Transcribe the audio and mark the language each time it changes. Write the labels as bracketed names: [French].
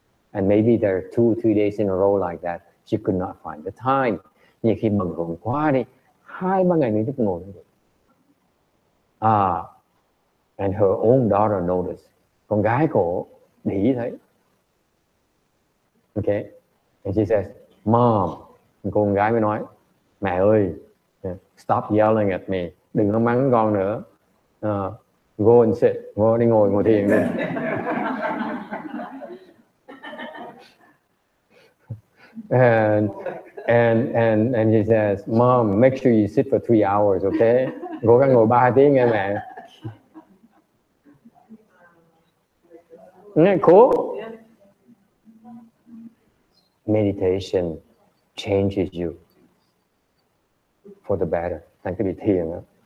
[English] And maybe there are 2 or 3 days in a row like that. She could not find the time. [Vietnamese] Nhiều khi bận rộn quá đi, 2-3 ngày mới được ngồi. [English] And her own daughter noticed. [Vietnamese] Con gái cổ để ý thấy. [English] Okay. And she says, Mom. [Vietnamese] Con gái mới nói, Mẹ ơi, [English] stop yelling at me. [Vietnamese] Đừng có mắng con nữa. [English] Go and sit. [Vietnamese] Go đi ngồi, ngồi thiền đi. [English] And he says, Mom, make sure you sit for 3 hours, okay? [Vietnamese] Cố gắng ngồi 3 tiếng nghe mẹ. [English] Isn't that cool? Meditation changes you for the better. [Vietnamese] Thành cái vị thiền á.